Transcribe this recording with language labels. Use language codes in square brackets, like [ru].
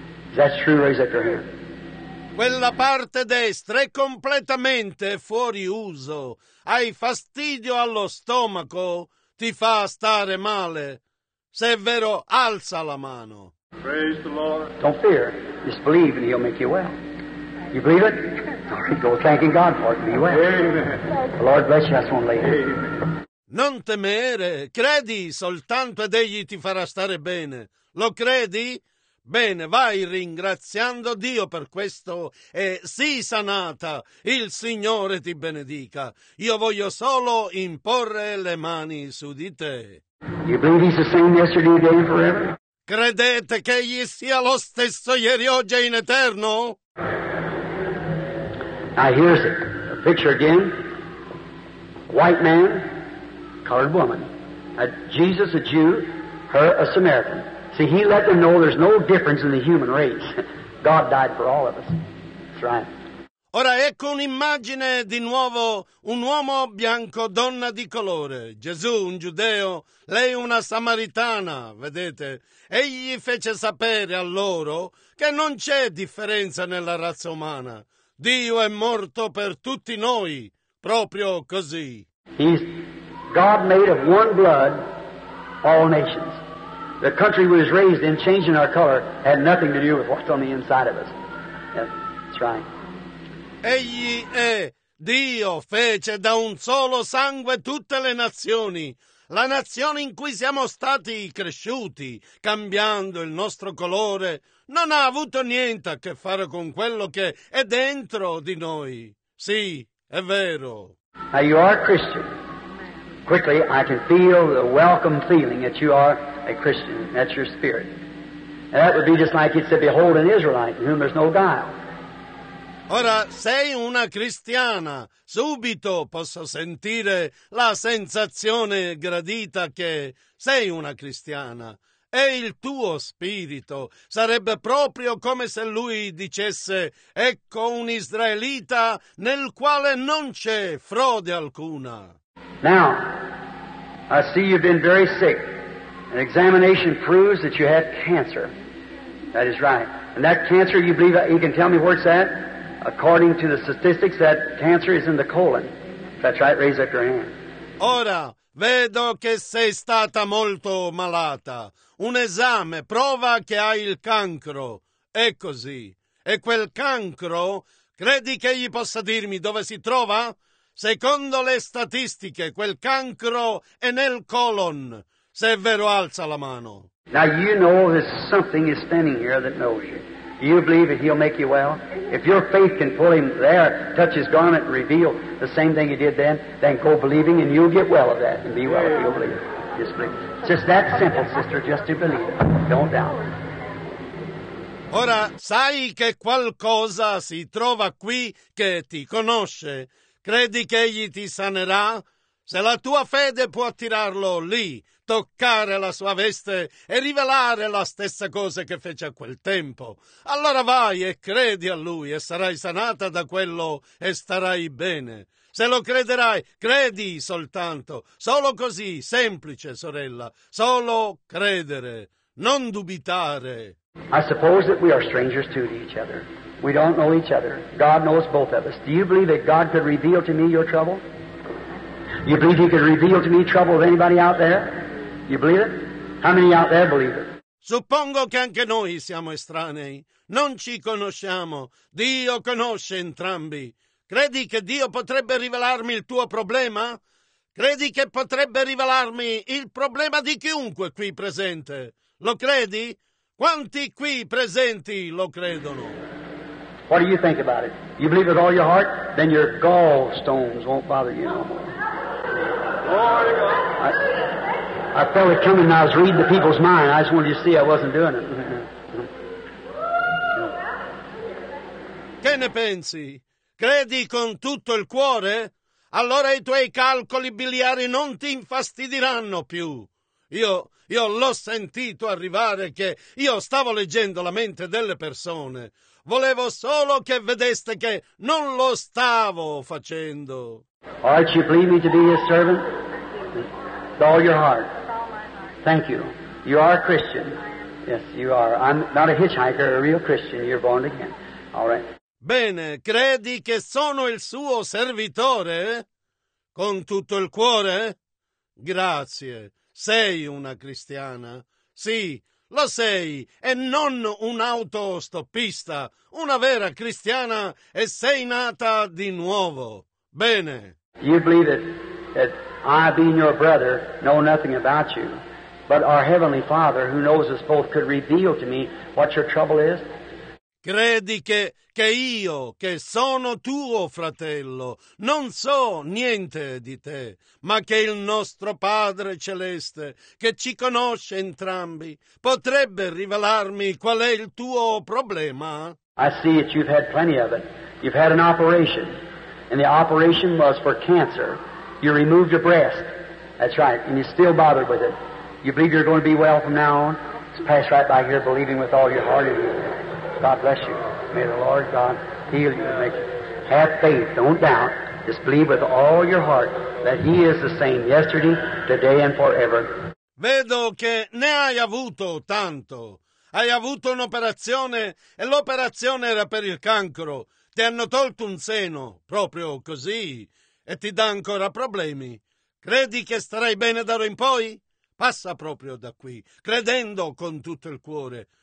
[en] Is that true? Raise up your hand. [it] Quella parte destra è completamente fuori uso. Hai fastidio allo stomaco, ti fa stare male. Se è vero, alza la mano. [en] Praise the Lord. Don't fear. Just believe and He'll make you well. You believe it? All right, go thanking God for it and be well. Amen. The Lord bless you. I just want to lay it. Amen. [it] Non temere. Credi soltanto ed Egli ti farà stare bene. Lo credi? Bene, vai ringraziando Dio per questo e sii sanata. Il Signore ti benedica. Io voglio solo imporre le mani su di te. [en] You believe He's the same yesterday, today, and forever? [it] Credete che Egli sia lo stesso ieri, oggi e in eterno? [en] Now here's it. A picture again. White man, colored woman. Jesus, a Jew, her, a Samaritan. See, He let them know there's no difference in the human race. God died for all of us. That's right. [it] Ora ecco un'immagine di nuovo, un uomo bianco, donna di colore. Gesù, un giudeo, lei una samaritana, vedete? Egli fece sapere a loro che non c'è differenza nella razza umana. Dio è morto per tutti noi, proprio così. [en] He's God made of one blood, all nations. The country we was raised in, changing our color, had nothing to do with what's on the inside of us. That's right. [it] Egli è Dio, fece da un solo sangue tutte le nazioni. La nazione in cui siamo stati cresciuti, cambiando il nostro colore, non ha avuto niente a che fare con quello che è dentro di noi. Sì, è vero. [en] Now you are a Christian. Quickly, I can feel the welcome feeling that you are a Christian. That's your spirit. And that would be just like it said, behold an Israelite in whom there's no guile. [it] Ora, sei una cristiana, subito posso sentire la sensazione gradita che sei una cristiana. E il tuo spirito sarebbe proprio come se lui dicesse, ecco un israelita nel quale non c'è frode alcuna. [en] Now, I see you've been very sick. An examination proves that you have cancer. That is right. And that cancer, you believe, you can tell me where it's at? According to the statistics, that cancer is in the colon. That's right, raise up your hand. [it] Ora, vedo che sei stata molto malata. Un esame prova che hai il cancro. È così. E quel cancro, credi che egli possa dirmi dove si trova? Secondo le statistiche, quel cancro è nel colon. Se è vero, alza la mano. [en] Now you know there's something is standing here that knows you. Do you believe that He'll make you well? If your faith can pull Him there, touch His garment and reveal the same thing He did then go believing and you'll get well of that and be well if you'll believe. Just believe. Just that simple, sister, just to believe. Don't doubt. [it] Ora, sai che qualcosa si trova qui che ti conosce? Credi che Egli ti sanerà? Se la tua fede può attirarlo lì, toccare la sua veste e rivelare la stessa cosa che fece a quel tempo, allora vai e credi a Lui e sarai sanata da quello e starai bene. Se lo crederai, credi soltanto, solo così, semplice sorella, solo credere, non dubitare. [en] I suppose that we are strangers to each other. We don't know each other. God knows both of us. Do you believe that God could reveal to me your trouble? You believe He could reveal to me trouble of anybody out there? You believe it? How many out there believe it? [it] Suppongo che anche noi siamo estranei. Non ci conosciamo. Dio conosce entrambi. Credi che Dio potrebbe rivelarmi il tuo problema? Credi che potrebbe rivelarmi il problema di chiunque qui presente? Lo credi? Quanti qui presenti lo credono? [en] What do you think about it? You believe with all your heart? Then your gallstones won't bother you no more. Glory to God. I felt it coming and I was reading the people's mind. I just wanted you to see I wasn't doing it. [it] Che ne pensi? Credi con tutto il cuore? Allora i tuoi calcoli biliari non ti infastidiranno più. Io l'ho sentito arrivare che io stavo leggendo la mente delle persone. Volevo solo che vedeste che non lo stavo facendo. [en] Aren't you believe me to be his servant? With all your heart. Thank you. You are a Christian. Yes, you are. I'm not a hitchhiker, a real Christian. You're born again. All right. [it] Bene, credi che sono il suo servitore? Con tutto il cuore? Grazie. Sei una cristiana? Sì, lo sei, e non un autostoppista, una vera cristiana, e sei nata di nuovo. Bene. [en] You believe it, that I, being your brother, know nothing about you, but our Heavenly Father, who knows us both, could reveal to me what your trouble is? [it] Credi che io, che sono tuo fratello, non so niente di te, ma che il nostro Padre Celeste, che ci conosce entrambi, potrebbe rivelarmi qual è il tuo problema? [en] I see that you've had plenty of it. You've had an operation, and the operation was for cancer. You removed your breast. That's right, and you're still bothered with it. You believe you're going to be well from now on? Just pass right by here believing with all your heart in you. God bless you. May the Lord God heal you and make you. Have faith. Don't doubt. Just believe with all your heart that He is the same yesterday, today and forever. [it] Vedo che ne hai avuto tanto. Hai avuto un'operazione e l'operazione era per il cancro. Ti hanno tolto un seno, proprio così, e ti dà ancora problemi. Credi che starai bene d'ora in poi? Passa proprio da qui, credendo con tutto il cuore.